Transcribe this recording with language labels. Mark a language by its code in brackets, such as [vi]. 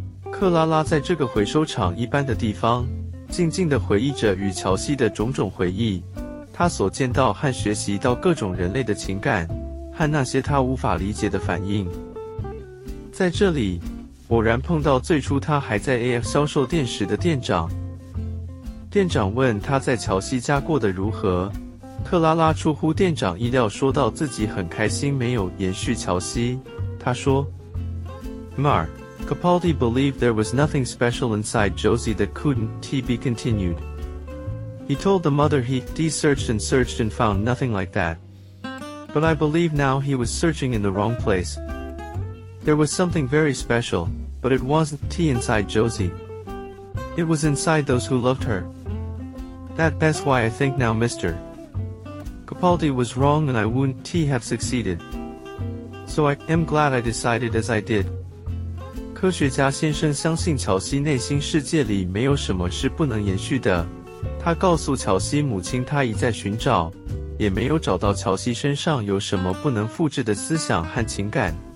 [zh] 克拉拉在这个回收厂一般的地方，静静地回忆着与乔西的种种回忆，他所见到和学习到各种人类的情感和那些他无法理解的反应。在这里偶然碰到最初他还在 AF 销售店时的店长，店长问他在乔西家过得如何，克拉拉出乎店长意料说到自己很开心没有延续乔西。他说 [en] Mark Capaldi believed there was nothing special inside Josie that couldn't be continuedHe told the mother he searched and searched and found nothing like that. But I believe now he was searching in the wrong place. There was something very special, but it wasn't inside Josie. It was inside those who loved her. That's why I think now Mr. Capaldi was wrong and I wouldn't have succeeded. So I am glad I decided as I did. [zh] 科学家先生相信乔西内心世界里没有什么是不能延续的。他告诉乔西母亲他一再寻找，也没有找到乔西身上有什么不能复制的思想和情感。